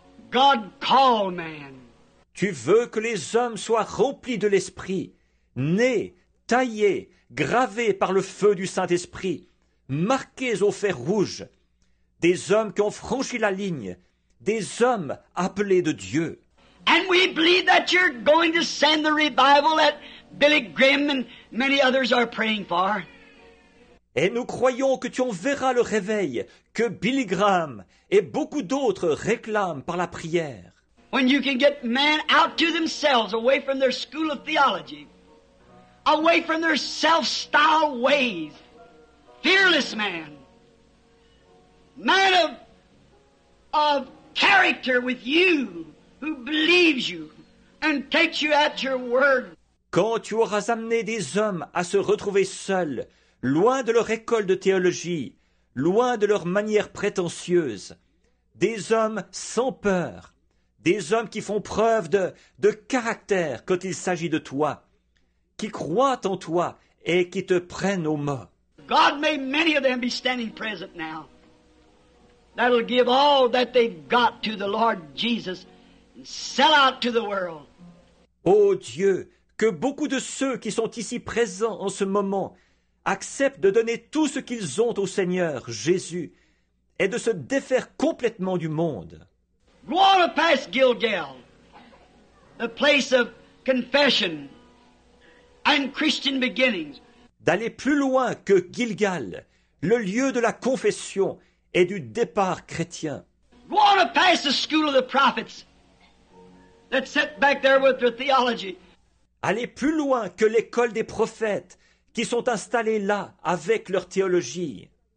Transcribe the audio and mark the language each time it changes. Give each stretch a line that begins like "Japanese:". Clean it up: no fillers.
English: God call man.
French: Tu veux que les hommes soient remplis de l'Esprit, nés, taillés, gravés par le feu du Saint-Esprit, marqués au fer rouge, des hommes qui ont franchi la ligne, des hommes appelés de Dieu.
English: And we believe that you're going to send the revival that Billy Graham and many others are praying for.
French: Et nous croyons que tu enverras le réveil que Billy Graham et beaucoup d'autres réclament par la prière.
English: When you can get men out to themselves, away from their school of theology, away from their self-styled ways, fearless man, man of character with you, who believes you and takes you at your word.
French: Quand tu auras amené des hommes à se retrouver seuls, loin de leur école de théologie, loin de leur manière prétentieuse, des hommes sans peur, des hommes qui font preuve de caractère quand il s'agit de toi, qui croient en toi et qui te prennent au mot.
English: God, may many of them be standing present now. That'll give all that they've got to the Lord Jesus and sell out to the world.
French: Oh Dieu, que beaucoup de ceux qui sont ici présents en ce moment accepte de donner tout ce qu'ils ont au Seigneur Jésus et de se défaire complètement du monde.
English: Go on past Gilgal, the place of confession and Christian beginnings.
French: D'aller plus loin que Gilgal, le lieu de la confession et du départ chrétien.
English: Go on past the school of the prophets that sat back there with their theology.
French: Aller plus loin que l'école des prophètes qui sont installés là avec leur théologie.